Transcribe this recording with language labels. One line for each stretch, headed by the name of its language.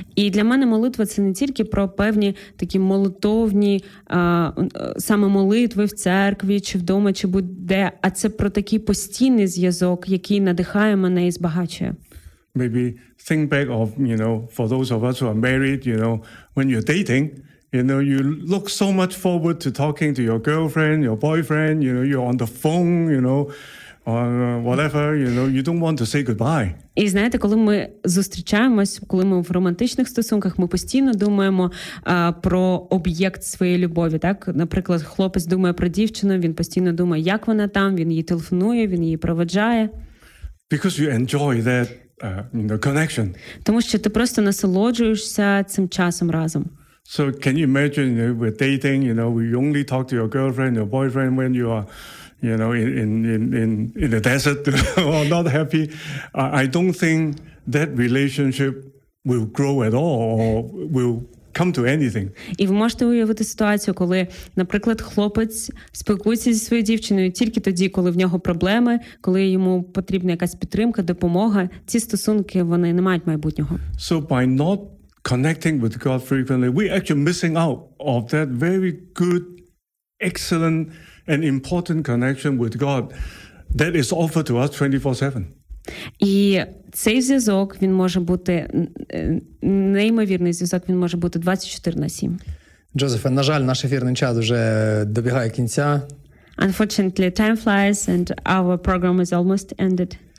Ukrainian: І для мене молитва – це не тільки про певні такі молитовні саме молитви в церкві, чи вдома, чи будь-де, а це про такий постійний зв'язок, який надихає мене і збагачує.
English: Maybe think back of, you know, for those of us who are married, you know, when you're dating, you know, you look so much forward to talking to your girlfriend, your boyfriend, you know, you're on the phone, you know, or whatever, you know, you don't want to say goodbye.
Ukrainian: І знаєте, коли ми зустрічаємось, коли ми в романтичних стосунках, ми постійно думаємо про об'єкт своєї любові, так? Наприклад, хлопець думає про дівчину, він постійно думає, як вона там, він її телефонує, він її проводжає.
English: Because you enjoy that connection.
Ukrainian: Тому що ти просто насолоджуєшся цим часом разом.
English: So can you imagine, you know, we're dating, you know, we only talk to your girlfriend, your boyfriend when you are, you know, in the desert or not happy. I don't think that relationship will grow at all or will come to anything.
Ukrainian: І ви можете уявити ситуацію, коли, наприклад, хлопець спілкується зі своєю дівчиною тільки тоді, коли в нього проблеми, коли йому потрібна якась підтримка, допомога, ці стосунки, вони не мають майбутнього.
English: So by not connecting with God frequently, we actually missing out of that very good, excellent and important connection with God that is offered to us 24/7.
Ukrainian: І цей зв'язок, він може бути, неймовірний зв'язок, він може бути 24/7. Джозефе, на жаль, наш ефірний час вже добігає кінця.
English: Unfortunately, time flies and our program is almost ended.